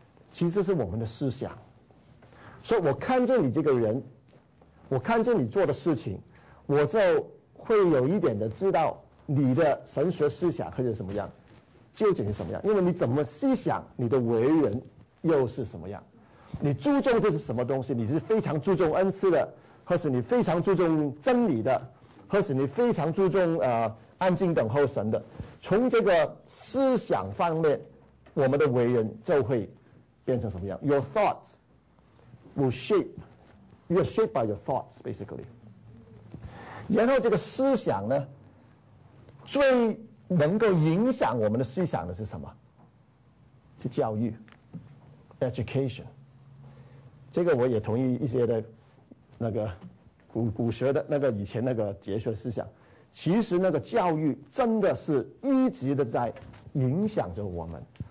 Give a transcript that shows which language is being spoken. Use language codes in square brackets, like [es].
[zh] 其实是我们的思想。所以我看见你这个人，我看见你做的事情，我就会有一点的知道你的神学思想或者什么样，究竟是什么样。因为你怎么思想，你的为人又是什么样，你注重这是什么东西，你是非常注重恩赐的，或是你非常注重真理的，或是你非常注重安静等候神的。从这个思想方面，我们的为人就会变成什么样。 [en] Your thoughts will shape, you are shaped by your thoughts, basically. [zh] 然后这个思想呢，最能够影响我们的思想的是什么？是教育 ，education。这个我也同意一些的，那个古学的那个以前那个哲学思想，其实那个教育真的是一直的在影响着我们。